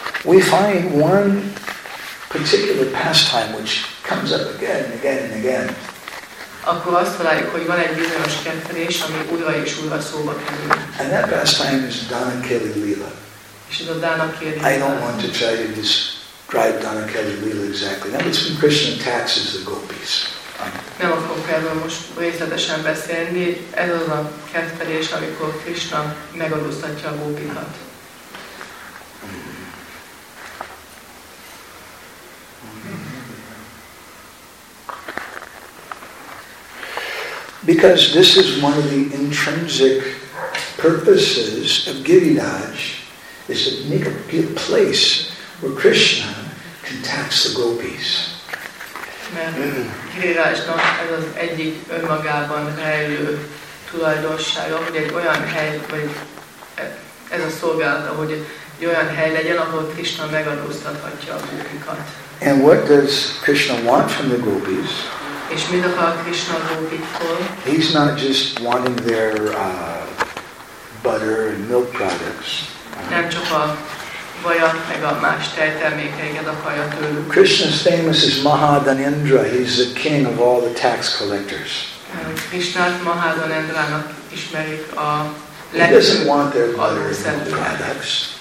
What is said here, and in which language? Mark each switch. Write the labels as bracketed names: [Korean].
[English] We find one particular pastime which comes up again and again and again. [Hungarian] Akkor azt találjuk, hogy van egy bizonyos kettelés, ami újra és újra szóba kerül. [English] And that pastime is Dhanakeli Lila. [Hungarian] És ez a Dhanakeli Lila. [English] I don't want to try to describe Dhanakeli Lila exactly. Now it's when Krishna taxes the gopis. [Hungarian] Nem akarok erről most részletesen beszélni. Ez az a kettelés, amikor Krishna megadóztatja a gópikat. [English] Because this is one of the intrinsic purposes of Giriraj, is to make a good place where Krishna can tax the gopis. [Hungarian] Girirajnak ez az egyik önmagában rejlő tulajdonsága, hogy egy olyan hely, vagy ez a szolgálata, hogy egy olyan hely legyen, ahol Krishna megadóztathatja a gopikat. [English] And what does Krishna want from the gopis? [Hungarian] És mit akar Krishna gópiktól? [English] He's not just wanting their butter and milk products. [Hungarian] Nem csak a vajat, meg a más tejtermékeiket akarja tőlük. [English] Krishna's famous is Mahadhanendra. He's the king of all the tax collectors. [Hungarian] Krishnát Mahadhanendrának ismerik a legjobb. [English] He doesn't want their butter and milk products.